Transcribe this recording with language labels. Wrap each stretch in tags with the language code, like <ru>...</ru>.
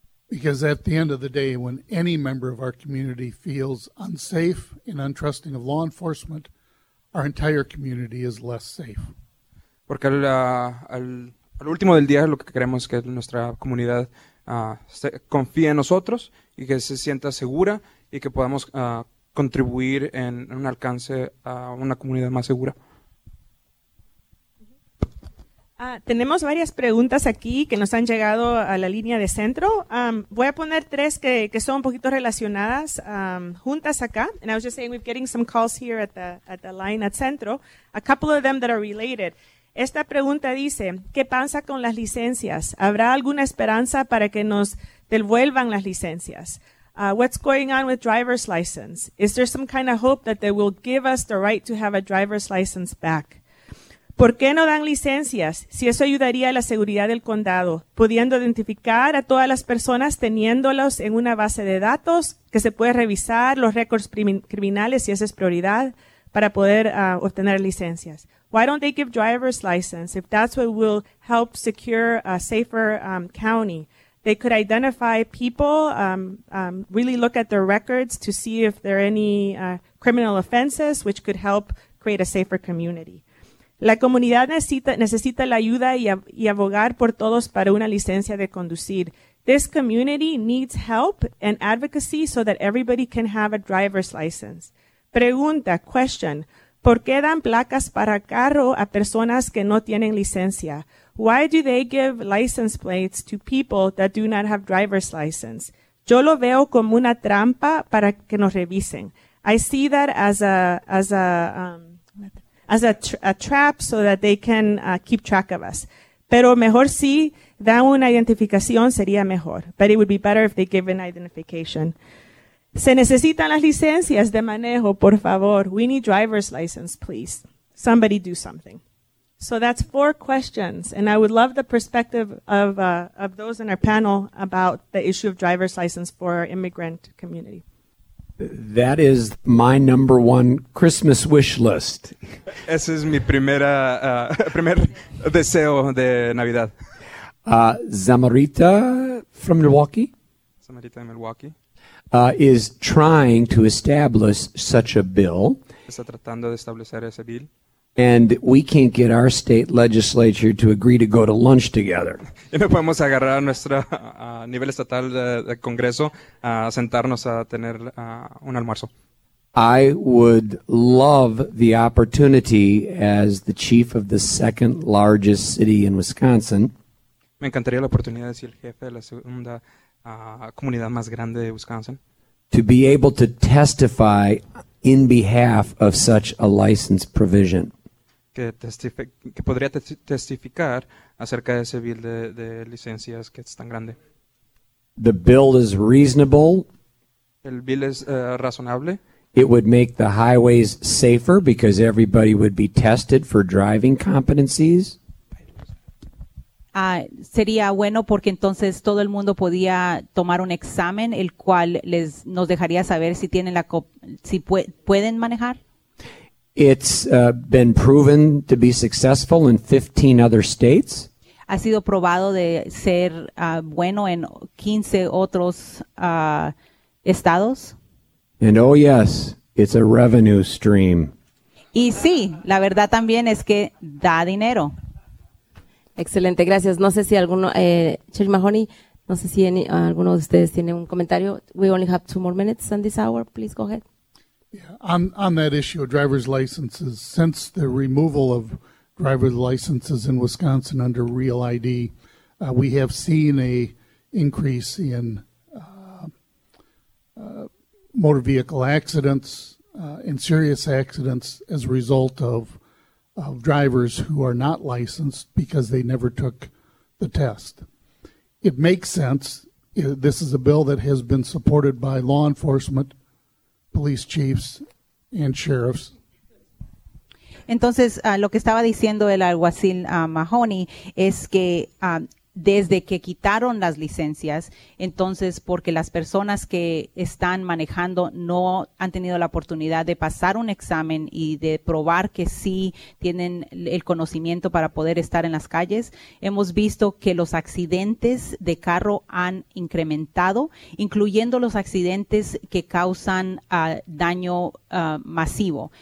<en>Because at the end of the day, when any member of our community feels unsafe and untrusting of law enforcement, our entire community is less safe.</en> <es>Porque al último del día, lo que queremos es que nuestra comunidad confíe en nosotros y que se sienta segura y que podamos contribuir en un alcance a una comunidad más segura. Tenemos varias preguntas aquí que nos han llegado a la línea de centro. Voy a poner tres que son un poquito relacionadas juntas acá.</es> <en>And I was just saying we're getting some calls here at the line at centro. A couple of them that are related.</en> <es>Esta pregunta dice, ¿qué pasa con las licencias? ¿Habrá alguna esperanza para que nos devuelvan las licencias?</es> <en>What's going on with driver's license? Is there some kind of hope that they will give us the right to have a driver's license back?</en> <es>¿Por qué no dan licencias si eso ayudaría a la seguridad del condado, pudiendo identificar a todas las personas teniéndolos en una base de datos que se puede revisar los récords criminales si esa es prioridad para poder obtener licencias?</es> <en>Why don't they give driver's license if that's what will help secure a safer county? They could identify people, really look at their records to see if there are any criminal offenses which could help create a safer community.</en> <es>La comunidad necesita la ayuda y abogar por todos para una licencia de conducir.</es> <en>This community needs help and advocacy so that everybody can have a driver's license.</en> <es>Pregunta, question, ¿por qué dan placas para carro a personas que no tienen licencia?</es> <en>Why do they give license plates to people that do not have driver's license?</en> <es>Yo lo veo como una trampa para que nos revisen.</es> <en>I see that as a trap so that they can keep track of us.</en> <es>Pero mejor si dan una identificación sería mejor.</es> <en>But it would be better if they give an identification.</en> <es>Se necesitan las licencias de manejo, por favor.</es> <en>We need driver's license, please. somebody do something. So that's four questions, and I would love the perspective of those in our panel about the issue of driver's license for our immigrant community. That is my number one Christmas wish list.</en> <es>Ese es mi primera primer deseo de Navidad.</es> <en>Zamarita from Milwaukee. Zamarita in Milwaukee. Is trying to establish such a bill.</en> <es>Está tratando de establecer ese bill.</es> <en>And we can't get our state legislature to agree to go to lunch together.</en> <es>Y no podemos agarrar a nuestro nivel estatal de Congreso a sentarnos a tener un almuerzo.</es> <en>I would love the opportunity as the chief of the second largest city in Wisconsin.</en> <es>Me encantaría la oportunidad de ser el jefe de la segunda comunidad más grande de Wisconsin.</es> <en>To be able to testify in behalf of such a license provision.</en> <es>Que que podría testificar acerca de ese bill de licencias que es tan grande.</es> <en>The bill is reasonable.</en> <es>El bill es razonable.</es> <en>It would make the highways safer because everybody would be tested for driving competencies.</en> <es>Sería bueno porque entonces todo el mundo podía tomar un examen el cual les nos dejaría saber si tienen la pueden manejar.</es> <en>It's been proven to be successful in 15 other states.</en> <es>Ha sido probado de ser bueno en 15 otros estados.</es> <en>And oh yes, it's a revenue stream.</en> <es>Y sí, la verdad también es que da dinero. Excelente, gracias. No sé si alguno, Chair Mahoney, no sé si alguno de ustedes tiene un comentario.</es> <en>We only have two more minutes on this hour. Please go ahead. Yeah, on that issue of driver's licenses, since the removal of driver's licenses in Wisconsin under Real ID, we have seen a increase in motor vehicle accidents and serious accidents as a result of drivers who are not licensed because they never took the test. It makes sense. This is a bill that has been supported by law enforcement, police chiefs, and sheriffs.</en> <es>Entonces, lo que estaba diciendo el alguacil Mahoney es que desde que quitaron las licencias, entonces porque las personas que están manejando no han tenido la oportunidad de pasar un examen y de probar que sí tienen el conocimiento para poder estar en las calles, hemos visto que los accidentes de carro han incrementado, incluyendo los accidentes que causan daño masivo.</es>